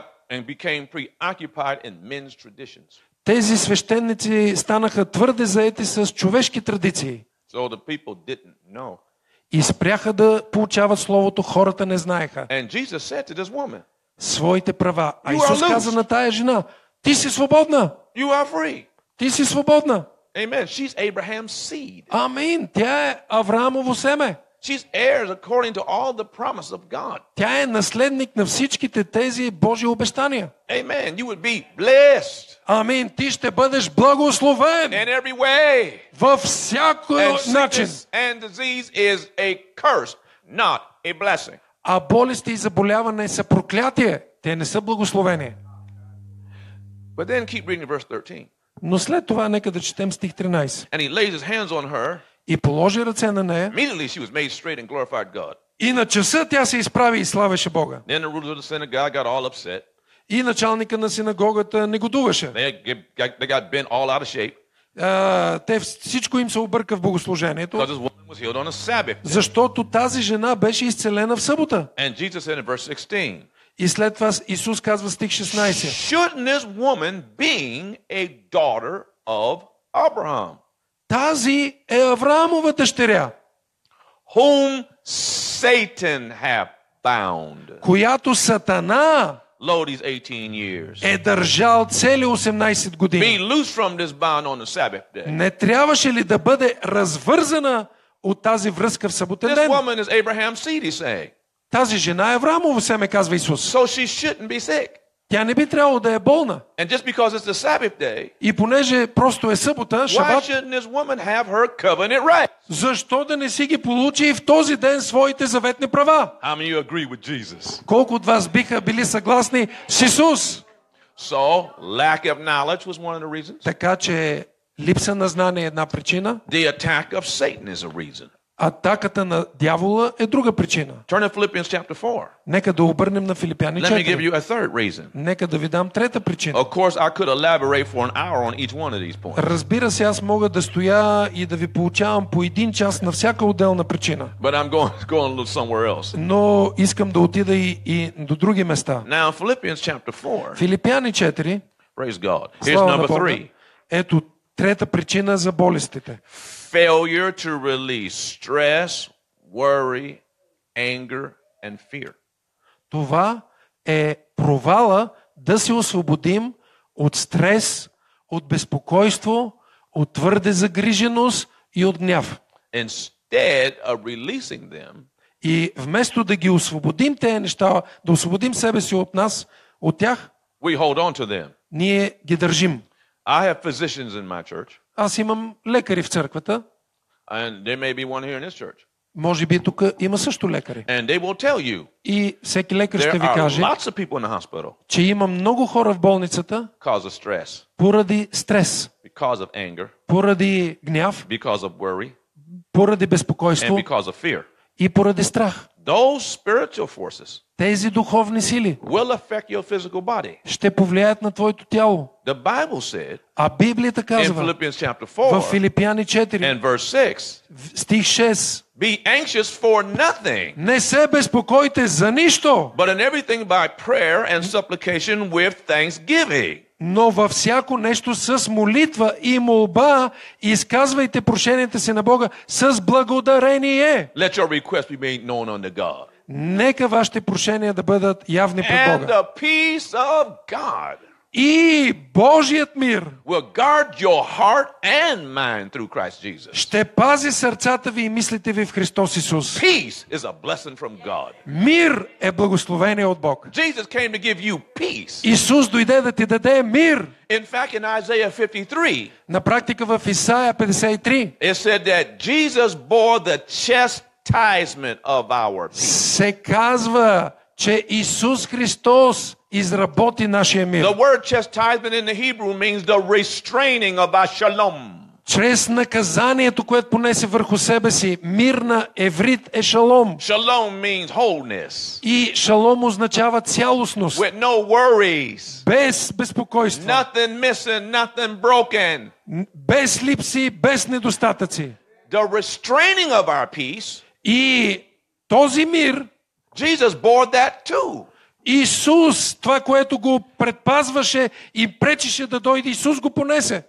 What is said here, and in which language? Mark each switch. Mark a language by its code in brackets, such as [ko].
[en] And became preoccupied in men's traditions. [bg] Тези свещеници станаха твърде заети с човешки традиции. [en] So the people didn't know. [bg] И спряха да получават словото, хората не знаеха. [en] And Jesus said to this woman, [bg] своите права. А Исус каза на тая жена: ти си свободна. [en] You are free. [bg] Ти си свободна. [en] Amen. She's Abraham's seed. [bg] Амин. Тя е Авраамово семе. [en] She's heirs according to all the promise of God. [bg] Тя е наследник на всичките тези Божи обещания. [en] Amen. You would be blessed. [bg] Амин. Ти ще бъдеш благословен. [en] In every way. [bg] Във всяко начин. [en] And disease is a curse, not a blessing. [bg] А болести и заболяване са проклятие. Те не са благословение. [en] But then keep reading verse 13. [bg] Но след това нека да четем стих 13. [en] And he lays his hands on her. [bg] И положи ръце на нея. [en] Immediately she was made straight and glorified God. [bg] И на часа тя се изправи и славеше Бога. [en] Then the ruler of the synagogue got all upset. [bg] И началникът на синагогата негодуваше. [en] They got bent all out of shape. [bg] Те всичко им се обърка в богослужението. [en] Because this woman was healed on a Sabbath. [bg] Защото тази жена беше изцелена в събота. [en] And Jesus said in verse 16. [bg] И след това Исус казва стих 16. [en] Shouldn't this woman being a daughter of Abraham? [bg] Тази е Авраамова дъщеря. [en] Whom Satan have bound. [bg] Която Сатана [en] Lodi's 18 years. [bg] Е държал цели 18 години. [en] Being loose from this bond on the Sabbath day. [bg] Не трябваше ли да бъде развързана от тази връзка в съботен ден? [en] This woman is Abraham's seed, he say. [bg] Тази жена е Авраамово семе, казва Исус. [en] So she shouldn't be sick. [bg] Тя не би трябвало да е болна. [en] And just because it's the Sabbath day. [bg] И понеже просто е събота, шабат. [en] Why shouldn't this woman have her covenant rights? [bg] Защо да не си ги получи и в този ден своите заветни права? [en] How many of you agree with Jesus? [bg] Колко от вас биха били съгласни с Исус? [en] So, lack of knowledge was one of the reasons. [bg] Така че липса на знание е една причина. [en] The attack of Satan is a reason. [bg] Атаката на дявола е друга причина. [en] Turn to Philippians chapter 4. [bg] Нека да обърнем на Филипяни 4. [en] Let me give you a third reason. [bg] Нека да ви дам трета причина. [en] Of course, I could elaborate for an hour on each one of these points. [bg] Разбира се, аз мога да стоя и да ви получавам по един час на всяка отделна причина. [en] But I'm going to somewhere else. [bg] Но искам да отида и до други места. [en] Now, Philippians chapter 4. [bg] Филипяни 4. [en] Praise God. Here's number 3. [bg] Ето трета причина за болестите. [en] Failure to release stress, worry, anger and fear. [bg] Това е провала да се освободим от стрес, от безпокойство, от твърде загриженост и от гняв. [en] Instead of releasing them, [bg] и вместо да ги освободим тези неща, да освободим себе си от нас, от тях, [en] we hold on to them. [bg] Ние ги държим. [en] I have physicians in my church. [bg] Аз имам лекари в църквата. [en] And there may be one here in this church. [bg] Може би тук има също лекари. [en] And they will tell you, [bg] и всеки лекар ще ви каже, [en] lots of people in the hospital, [bg] че има много хора в болницата [en] because of stress, [bg] поради стрес, [en] because of anger, [bg] поради гняв, [en] because of worry, [bg] поради безпокойство [en] and because of fear. [bg] И поради страх. [en] Those spiritual forces, [bg] тези духовни сили, [en] will affect your physical body. [bg] Ще повлияят на твоето тяло. [en] The Bible said, [bg] а Библията казва, [en] in Philippians chapter 4, [bg] в Филипяни 4, [en] and verse 6, [bg] стих 6, [en] be anxious for nothing, [bg] не се безпокойте за нищо, [en] but in everything by prayer and supplication with thanksgiving. [bg] Но във всяко нещо с молитва и молба изказвайте прошенията си на Бога с благодарение. [en] Let your request be made known unto God. [bg] Нека вашите прошения да бъдат явни пред Бога. [en] And the peace of God. [bg] И Божият мир [en] will guard your heart and mind through Christ Jesus. [bg] Ще пази сърцата ви и мислите ви в Христос Исус. [en] Peace is a blessing from God. [bg] Мир е благословение от Бог. [en] Jesus came to give you peace. [bg] Исус дойде да ти даде мир. [en] In fact, in Isaiah 53, [bg] на практика в Исаия 53, [en] it said that Jesus bore the chastisement of our peace. [bg] Се казва, че Исус Христос изработи нашия мир. [en] The word chastisement in the Hebrew means the restraining of our shalom. [bg] Чрез наказанието, което понесе върху себе си, мир на еврит е шалом. [en] Shalom means wholeness. [bg] И шалом означава цялостност. [en] With no worries. [bg] Без безпокойство. [en] Nothing missing, nothing broken. [bg] Без липси, без недостатъци. [en] The restraining of our peace. [bg] И този мир, [en] Jesus bore that too. [bg] Исус, това, което го предпазваше и пречеше да дойде, Исус го понесе.